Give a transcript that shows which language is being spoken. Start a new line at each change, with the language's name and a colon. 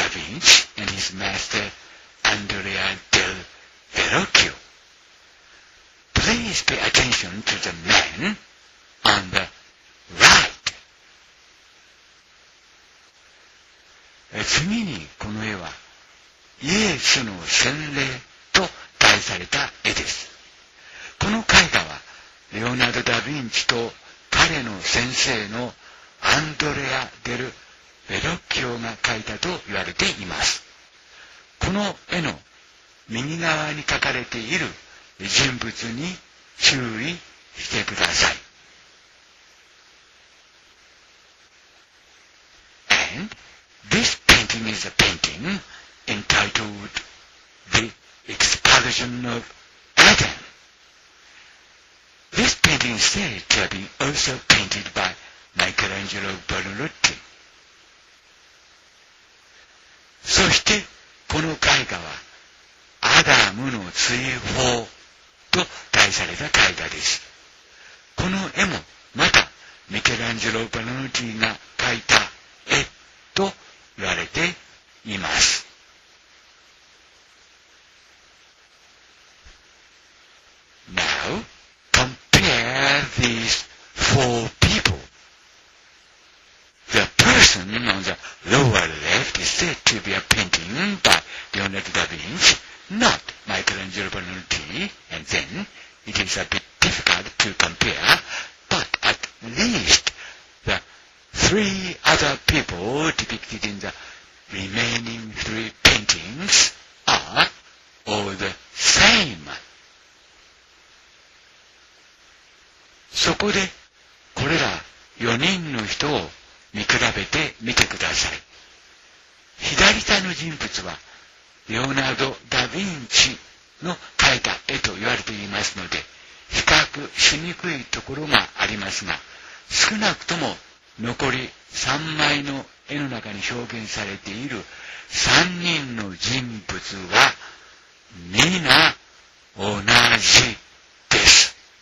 Japanese: アンドレア・デル・ベロキオ。
English: Please pay attention to the man on the right.
Japanese: 次にこの絵はイエスの洗礼と題された絵です。この絵画はレオナルド・ダ・ヴィンチと彼の先生のアンドレア・デル・ベロッキオが描いたと言われています。この絵の右側に描かれている人物に注意してください。
English: And this painting is a painting entitled The Expulsion of Eden. This painting is said to have been also painted by Michelangelo Buonarroti.
Japanese: そしてこの絵画はアダムの追放と題された絵画です。この絵もまたミケランジェロ・バルノティが描いた絵と言われています。
English: Now,These four people. The person on the lower left is said to be a painting by Leonardo da Vinci, not Michelangelo Buonarroti, and then it is a bit difficult to compare, but at least the three other people depicted in the remaining three paintings are all the same.
Japanese: そこでこれら4人の人を見比べてみてください。左下の人物はレオナルド・ダ・ヴィンチの描いた絵と言われていますので比較しにくいところがありますが、少なくとも残り3枚の絵の中に表現されている3人の人物は皆同じです。